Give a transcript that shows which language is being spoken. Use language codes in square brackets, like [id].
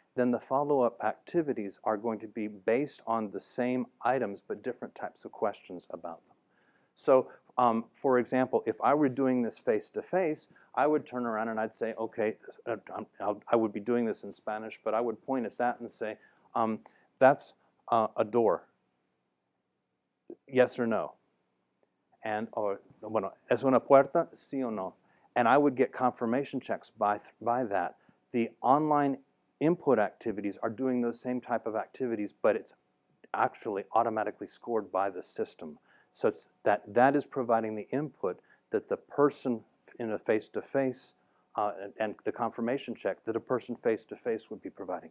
[en] Then the follow-up activities are going to be based on the same items, but different types of questions about them. So, for example, if I were doing this face-to-face, I would turn around and I'd say, okay, I would be doing this in Spanish, but I would point at that and say, that's a door. Yes or no? And, or, [es] bueno, ¿es una puerta? Sí o no? [en] And I would get confirmation checks by that. The online input activities are doing those same type of activities, but it's actually automatically scored by the system. So it's that is providing the input that the person in a face-to-face and the confirmation check that a person face-to-face would be providing.